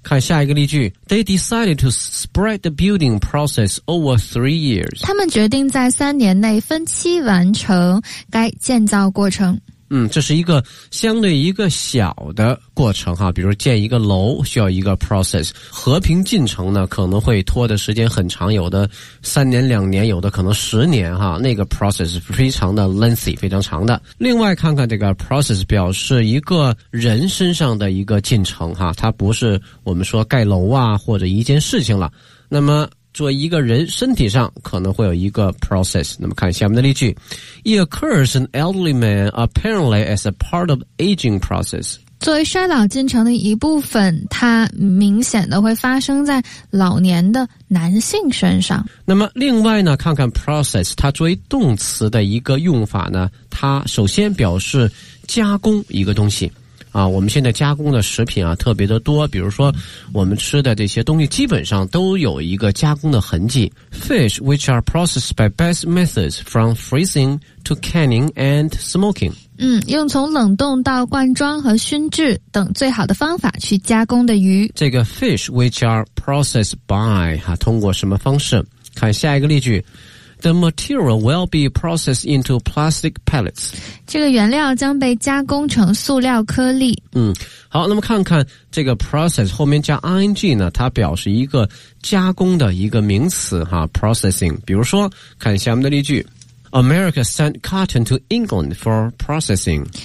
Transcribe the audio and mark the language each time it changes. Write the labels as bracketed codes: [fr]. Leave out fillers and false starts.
[zh] 看下一个例句， [en] They decided to spread the building process over 3 years. [zh] 他们决定在三年内分期完成该建造过程。这是一个相对一个小的过程哈，比如建一个楼需要一个 process， 和平进程呢可能会拖的时间很长，有的三年两年，有的可能十年哈，那个 process 非常的 lengthy， 非常长的。另外看看这个 process 表示一个人身上的一个进程哈，它不是我们说盖楼啊或者一件事情了，那么做一个人身体上可能会有一个 process。那么看下面的例句， [en] It occurs an elderly man apparently as a part of aging process. [zh] 作为衰老进程的一部分，它明显的会发生在老年的男性身上。那么另外呢看看 process 它作为动词的一个用法呢，它首先表示加工一个东西啊，我们现在加工的食品啊特别的多，比如说我们吃的这些东西基本上都有一个加工的痕迹。 [en] Fish which are processed by best methods from freezing to canning and smoking. [zh] 用从冷冻到罐装和熏制等最好的方法去加工的鱼。这个 [en] fish which are processed by [zh] 啊，通过什么方式？看下一个例句。 [en] The material will be processed into plastic pellets. [zh] 这个原料将被加工成塑料颗粒。好，那么看看这个 process 后面加 ing 呢，它表示一个加工的一个名词哈 ,processing。比如说看下面的例句。 [en] America sent cotton to England for processing.